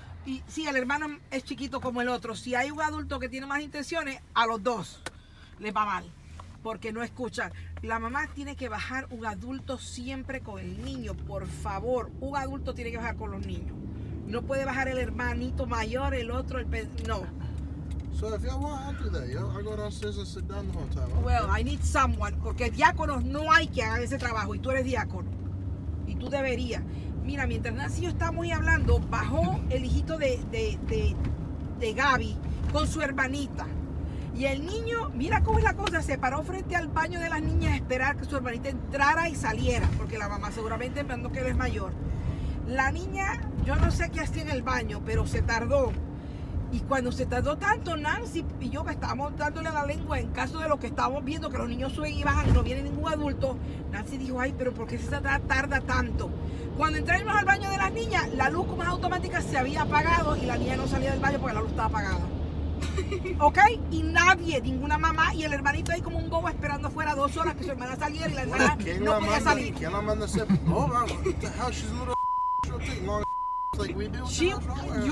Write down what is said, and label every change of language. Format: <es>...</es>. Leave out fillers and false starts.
<es>Y sí, el hermano es chiquito como el otro. Si hay un adulto que tiene más intenciones, a los dos les va mal, porque no escuchan. La mamá tiene que bajar un adulto siempre con el niño, por favor. Un adulto tiene que bajar con los niños. No puede bajar el hermanito mayor, el otro, el no.</es> <en>So if y'all want after that, y'all go downstairs and sit down the whole time. Okay? Well, I need someone,</en> <es>porque diáconos no hay que hacer ese trabajo, y tú eres diácono, y tú deberías. Mira, mientras Nancy y yo estamos hablando, bajó el hijito de Gaby con su hermanita. Y el niño, mira cómo es la cosa, se paró frente al baño de las niñas a esperar que su hermanita entrara y saliera, porque la mamá seguramente pensando que él es mayor. La niña, yo no sé qué hacía en el baño, pero se tardó. Y cuando se tardó tanto, Nancy y yo que estábamos dándole la lengua en caso de lo que estábamos viendo, que los niños suben y bajan y no viene ningún adulto, Nancy dijo, ay, pero ¿por qué se tarda tanto? Cuando entramos al baño de las niñas, la luz como es automática se había apagado y la niña no salía del baño porque la luz estaba apagada. Ok, y nadie, ninguna mamá y el hermanito ahí como un bobo esperando afuera dos horas que su hermana saliera y la hermana no podía manda, salir. ¿Quién la manda a ser boba?</es> <en>What the hell, she's a little like we do.</en>